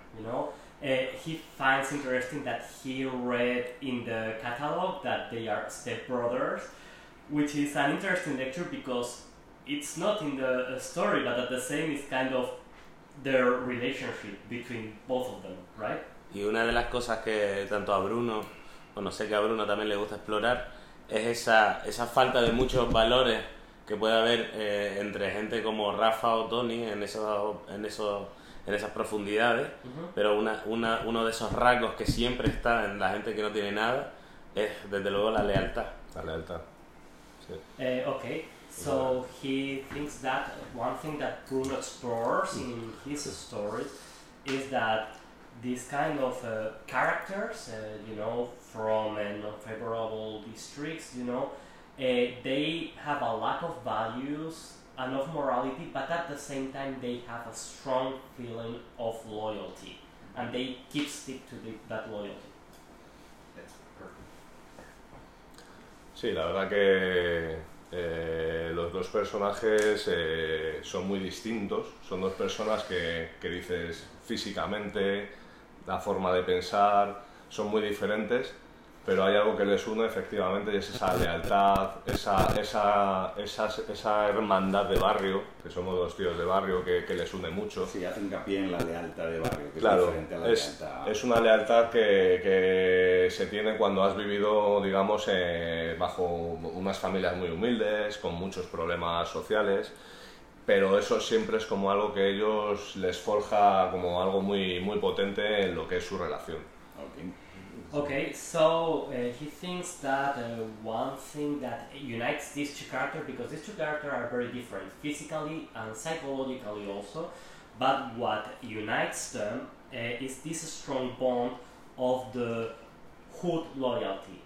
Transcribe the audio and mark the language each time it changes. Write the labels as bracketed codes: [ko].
[en] You know, he finds interesting that he read in the catalog that they are stepbrothers, which is an interesting lecture because it's not in the story, but at the same, it's kind of their relationship between both of them, right? [es] Y una de las cosas que tanto a Bruno, bueno, sé que a Bruno también le gusta explorar, es esa falta de muchos valores que puede haber entre gente como Rafa o Tony en esas profundidades. Pero uno de esos rasgos que siempre está en la gente que no tiene nada es, desde luego, la lealtad. La lealtad, sí. [en] Okay. So he thinks that one thing that Bruno explores in his story is that these kind of characters, you know, from unfavorable districts, you know, they have a lack of values and of morality, but at the same time they have a strong feeling of loyalty, and they keep stick to that loyalty. [es] Sí, la verdad que los dos personajes son muy distintos. Son dos personas que dices físicamente, la forma de pensar, son muy diferentes, pero hay algo que les une efectivamente, y es esa lealtad, esa hermandad de barrio, que somos los tíos de barrio, que les une mucho. Sí, hace hincapié en la lealtad de barrio, que claro, es diferente a la lealtad. Es una lealtad que se tiene cuando has vivido, digamos, bajo unas familias muy humildes, con muchos problemas sociales, pero eso siempre es como algo que ellos les forja como algo muy, muy potente en lo que es su relación. [en] Okay, so he thinks that one thing that unites these two characters, because these two characters are very different physically and psychologically also, but what unites them is this strong bond of the hood loyalty.